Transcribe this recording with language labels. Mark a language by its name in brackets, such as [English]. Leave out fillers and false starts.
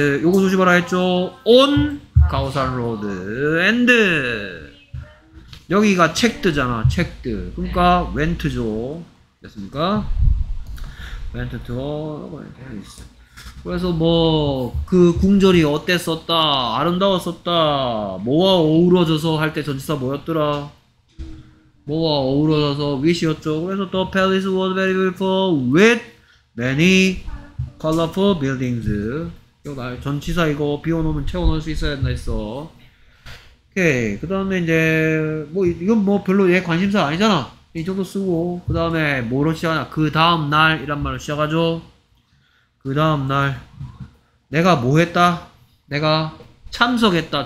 [Korean] 요거 조심하라 했죠. On 가오산 로드 and 여기가 checked잖아. checked. 그러니까 went죠. 됐습니까? went to a place. 그래서 뭐 그 궁전이 어땠었다, 아름다웠었다, 뭐와 어우러져서 할 때 전치사 뭐였더라? 뭐와 어우러져서 wish였죠. 그래서 [English] the palace was very beautiful with many colorful buildings. [Korean] 나 전치사 이거 비워놓으면 채워놓을 수 있어야 했나 했어. 오케이. 그 다음에 이제 뭐 이건 뭐 별로 얘 관심사 아니잖아. 이 정도 쓰고. 그 다음에 뭐로 시작하냐. 그 다음 날이란 말로 시작하죠. 그 다음 날 내가 뭐 했다? 내가 참석했다.